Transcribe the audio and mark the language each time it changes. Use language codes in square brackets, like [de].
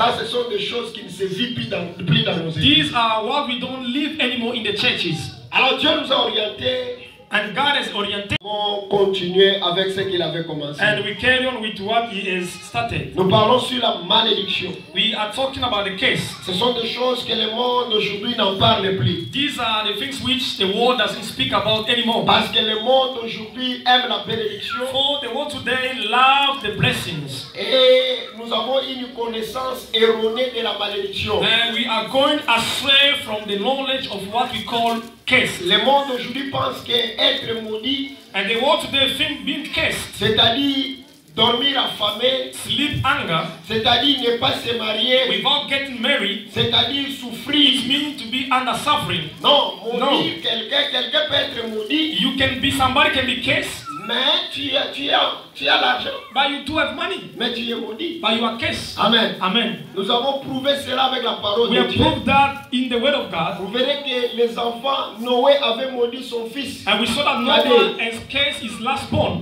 [fr] Ça, ce sont des choses qui ne se vivent plus dans nos églises. [en] These are what we don't live anymore in the churches. [fr] Alors Dieu nous a orienté. [en] And God has oriented. [fr] On continuait avec ce qu'il avait commencé. [en] And we carry on with what He has started. [fr] Nous parlons sur la malédiction. [en] We are talking about the case. [fr] Ce sont des choses que le monde aujourd'hui n'en parle plus. [en] These are the things which the world doesn't speak about anymore. [fr] Parce que le monde aujourd'hui aime la bénédiction. [en] For the world today loves the blessings. [fr] Et nous avons une connaissance erronée de la malédiction. [en] And we are going astray from the knowledge of what we call. [fr] Le monde aujourd'hui pense que être maudit, [en] and the world today think being cursed, [fr] c'est-à-dire dormir affamé, [en] sleep anger, [fr] c'est-à-dire ne pas se marier, [en] without getting married, [fr] c'est-à-dire souffrir, [en] it means to be under suffering. [fr] Non, maudit, no. quelqu'un peut être maudit. [en] You can be somebody can be cursed. [fr] Mais tu as l'argent. [en] But you do have money. [fr] Mais tu es maudit. [en] But you are cursed. Amen. Amen. [fr] Nous avons prouvé cela avec la parole [en] we [fr] de Dieu. [en] We have proved that in the word of God. [fr] Vous verrez que les enfants Noé avaient maudit son fils. [en] And we saw that Noah has cursed his last born.